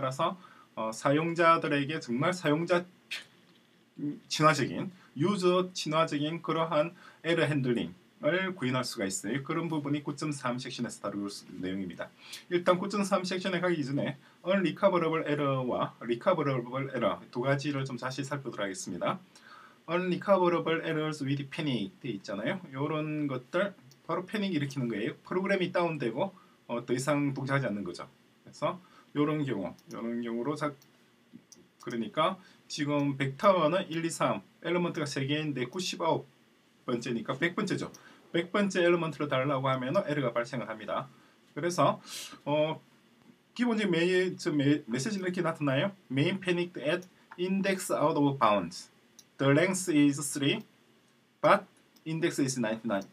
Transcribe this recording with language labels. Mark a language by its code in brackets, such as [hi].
[ko] 따라서 사용자들에게 정말 사용자 친화적인, 유저 친화적인 그러한 에러 핸들링 구인할 수가 있어요. 그런 부분이 9.3 섹션에서 다루는 내용입니다. 일단 9.3 섹션에 가기 전에 unrecoverable error와 recoverable error 두 가지를 좀 자세히 살펴보도록 하겠습니다. [en] unrecoverable errors with panic [ko] 돼 있잖아요. 이런 것들 바로 패닉 일으키는 거예요. 프로그램이 다운되고 더 이상 동작하지 않는 거죠. 그래서 이런 경우로 그러니까 지금 벡터는 1, 2, 3 엘리먼트가 3개인데 99번째니까 100번째죠. 100번째 엘리먼트로 달라고 하면 에러가 발생을 합니다. 그래서 기본적인 메시지는 이렇게 나타나요. [en] main panic at index out of bounds. the length is 3 but index is 99.